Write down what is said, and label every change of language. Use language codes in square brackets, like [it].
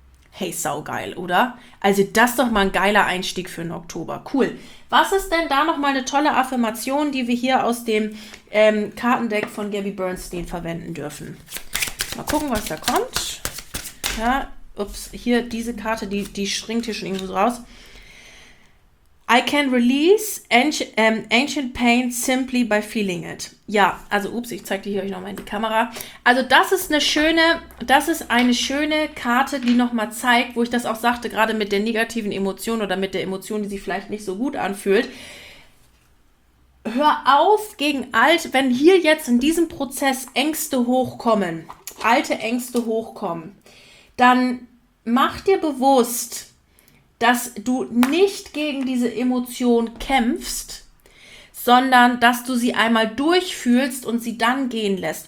[de] Hey, saugeil, oder? Also das doch mal ein geiler Einstieg für den Oktober. Cool. Was ist denn da nochmal eine tolle Affirmation, die wir hier aus dem Kartendeck von Gabby Bernstein verwenden dürfen? Mal gucken, was da kommt. Ja, ups, hier diese Karte, die springt hier schon irgendwo so raus. [en] I can release ancient pain simply by feeling it. [de] Ja, also ups, ich zeige die hier euch nochmal in die Kamera. Also das ist eine schöne Karte, die nochmal zeigt, wo ich das auch sagte, gerade mit der negativen Emotion oder mit der Emotion, die sich vielleicht nicht so gut anfühlt. hör auf gegen alt, wenn hier jetzt in diesem Prozess Ängste hochkommen, alte Ängste hochkommen, dann mach dir bewusst, dass du nicht gegen diese Emotion kämpfst, sondern dass du sie einmal durchfühlst und sie dann gehen lässt.